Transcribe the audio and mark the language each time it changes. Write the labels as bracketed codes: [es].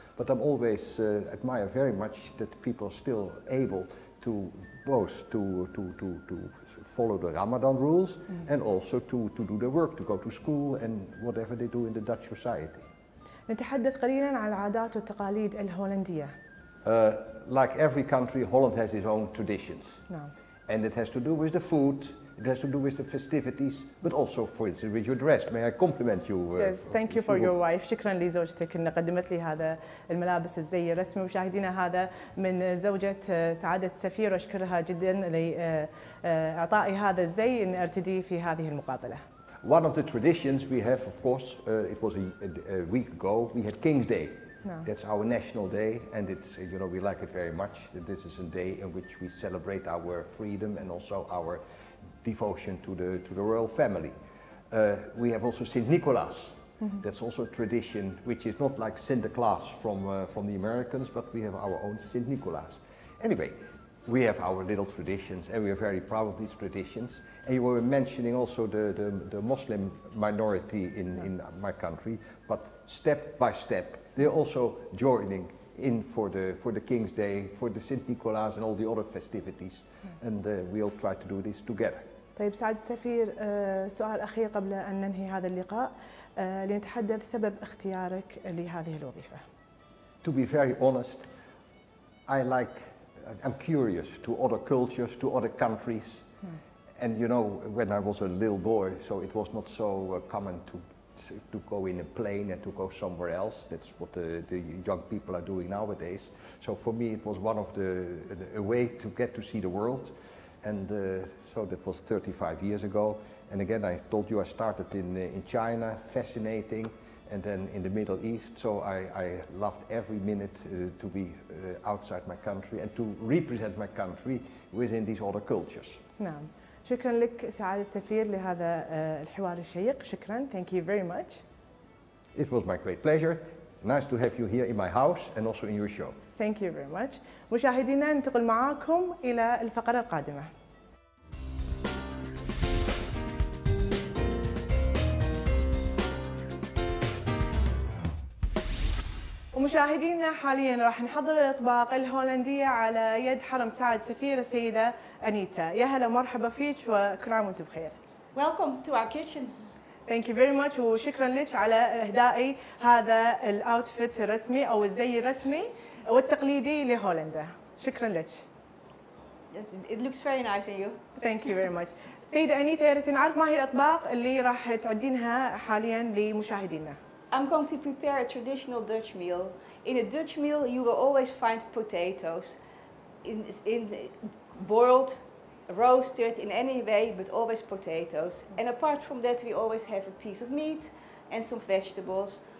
[en] But I'm always admire very much that people are still able to both to follow the Ramadan rules and also to do their work, to go to school and whatever they do in the Dutch society. [ar] نتحدث قليلا عن العادات والتقاليد الهولندية. [en] Like every country, Holland has its own traditions. No. And it has to do with the food, It has to do with the festivities, but also, for instance, with your dress. May I compliment you? Yes, thank you for your wife. [ar] شكرا لزوجتك اللي قدمت لي هذا الملابس الزي الرسمي. وشاهدينا هذا من زوجة سعادة السفير. أشكرها جدا لإعطائي هذا الزي إن أرتديه في هذه المقابلة. [en] One of the traditions we have, of course, it was a week ago, we had King's Day. No. That's our national day, and it's, you know, we like it very much. This is a day in which we celebrate our freedom and also our devotion to the royal family. We have also Saint Nicholas. Mm-hmm. That's also a tradition which is not like Sinterklaas from the Americans, but we have our own Saint Nicholas. Anyway, we have our little traditions, and we are very proud of these traditions. And you were mentioning also the Muslim minority in my country, but step by step, they're also joining in for the King's Day, for the Saint Nicholas and all the other festivities, and we all try to do this together. [ar] طيب سعد السفير، سؤال أخير قبل أن ننهي هذا اللقاء، لنتحدث سبب اختيارك لهذه الوظيفة. [en] To be very honest, I'm curious to other cultures, to other countries. And you know, when I was a little boy, so it was not so common to go in a plane and to go somewhere else. That's what the young people are doing nowadays. So for me, it was one of a way to get to see the world. And so that was 35 years ago. And again, I told you I started in China, fascinating, and then in the Middle East. So I loved every minute to be outside my country and to represent my country within these other cultures. No. [ar] شكرا لك سعادة السفير لهذا الحوار الشيق. شكرا. [en] Thank you very much. It was my great pleasure. Nice to have you here in my house and also in your show. Thank you very much. [ar] مشاهدينا، ننتقل معاكم إلى الفقرة القادمة. مشاهدينا، حاليا راح نحضر الاطباق الهولنديه على يد حرم سعد سفير السيده انيتا. يا هلا ومرحبا فيك، وكل عام وانت بخير. [en] Welcome to our kitchen. Thank you very much. [ar] وشكرا لك على اهدائي هذا الاوتفيت الرسمي او الزي الرسمي والتقليدي لهولندا. شكرا لك. [en] It looks very nice on you. Thank you very much. [ar] سيده انيتا، يا ريت نعرف ما هي الاطباق اللي راح تعدينها حاليا لمشاهدينا. [en] I'm going to prepare a traditional Dutch meal. In a Dutch meal, you will always find potatoes in boiled, roasted in any way, but always potatoes. And apart from that, we always have a piece of meat and some vegetables.